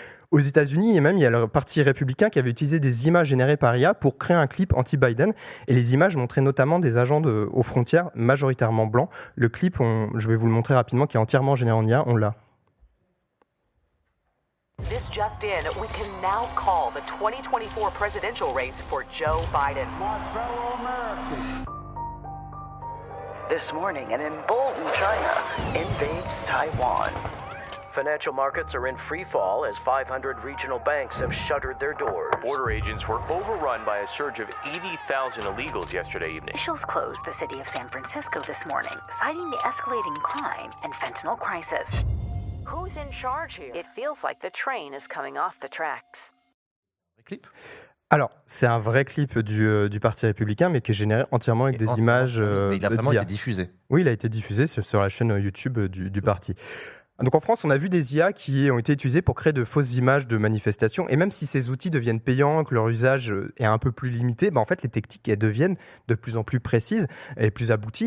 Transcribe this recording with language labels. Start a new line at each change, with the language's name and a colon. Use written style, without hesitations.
French: Aux États-Unis, et même il y a le parti républicain qui avait utilisé des images générées par IA pour créer un clip anti-Biden. Et les images montraient notamment des agents aux frontières majoritairement blancs. Le clip, je vais vous le montrer rapidement, qui est entièrement généré en IA, on l'a.
English: This just in, we can now call the 2024 presidential race for Joe Biden. This morning, an emboldened China invades Taiwan. Financial markets are in free fall as 500 regional banks have shuttered their doors. Border agents were overrun by a surge of 80,000 illegals yesterday evening. Officials closed the city of San Francisco this morning, citing the escalating crime and fentanyl crisis. Who's in charge here? It feels like the train is coming off the tracks.
French: Alors, c'est un vrai clip du Parti Républicain, mais qui est généré entièrement avec des images d'IA. Mais il a vraiment été diffusé. Oui, il a été diffusé sur la chaîne YouTube du Parti. Donc en France, on a vu des IA qui ont été utilisées pour créer de fausses images de manifestations. Et même si ces outils deviennent payants, que leur usage est un peu plus limité, les techniques elles deviennent de plus en plus précises et plus abouties.